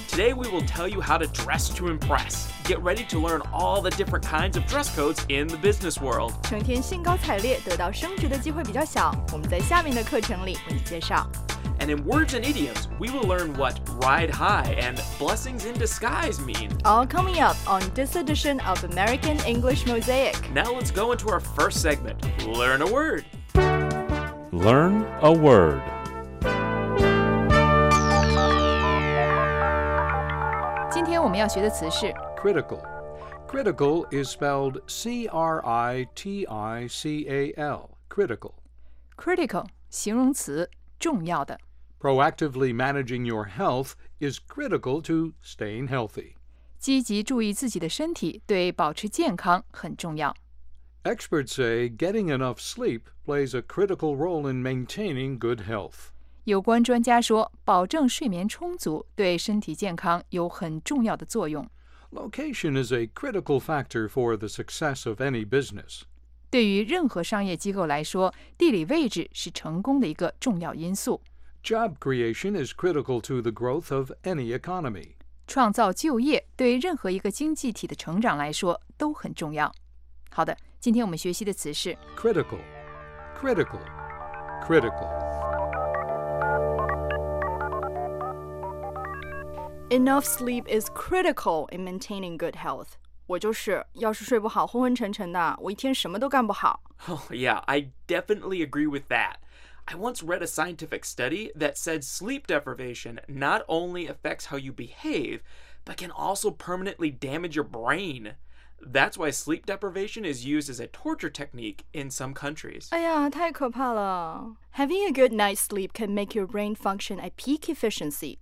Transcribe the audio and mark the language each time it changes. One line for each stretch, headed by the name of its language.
English: Today we will tell you how to dress to impress. Get ready to learn all the different kinds of dress codes in the business world.
Chinese: 成天兴高采烈得到升职的机会比较小，我们在下面的课程里为你介绍。
English: And in words and idioms, we will learn what ride high and blessings in disguise mean. All coming up on this edition of American English Mosaic. Now let's go into our first segment, Learn a Word. Learn a Word.
Chinese: 今天我们要学的词是
English: Critical. Critical is spelled C-R-I-T-I-C-A-L. Critical.
Chinese: Critical, 形容词，重要的。
English: Proactively managing your health is critical to staying healthy.
Chinese: 积极注意自己的身体对保持健康很重要。
English: Experts say getting enough sleep plays a critical role in maintaining good health.
Chinese: 有关专家说，保证睡眠充足对身体健康有很重要的作用。
English: Location is a critical factor for the success of any business.
Chinese: 对于任何商业机构来说，地理位置是成功的一个重要因素。
English: Job creation is critical to the growth of any economy.
Chinese: 创造就业对任何一个经济体的成长来说都很重要。好的，今天我们学习的词是
English: critical, critical, critical. Enough sleep is critical in maintaining good health.
Chinese: 我就是，要是睡不好，昏昏沉沉的，我一天什么都干不好。
English: Oh, yeah, I definitely agree with that. I once read a scientific study that said sleep deprivation not only affects how you behave, but can also permanently damage your brain. That's why sleep deprivation is used as a torture technique in some countries.
Chinese: 哎呀，太可怕了。
English: Having a good night's sleep can make your brain function at peak efficiency.